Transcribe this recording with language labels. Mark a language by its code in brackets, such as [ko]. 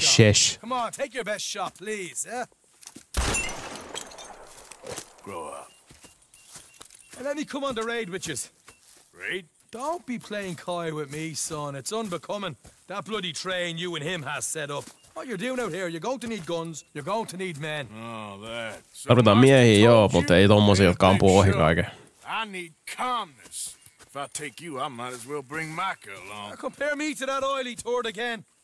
[en] shot. Come on, take your best shot, please. Yeah? Grow up. And let me come on the raid, witches. Raid? Don't be playing coy with me, son. It's unbecoming. That bloody train you and him has set up. What you're doing out here, you're going to need guns, you're going to need men. Oh, that. [fi] Tarvitaan miehiä, joo, mutta ei tommosia, jotka ampuu ohi kaiken. [en] I need calmness. If I take you, I might as well bring Micah along. Now compare me to that oily turd again.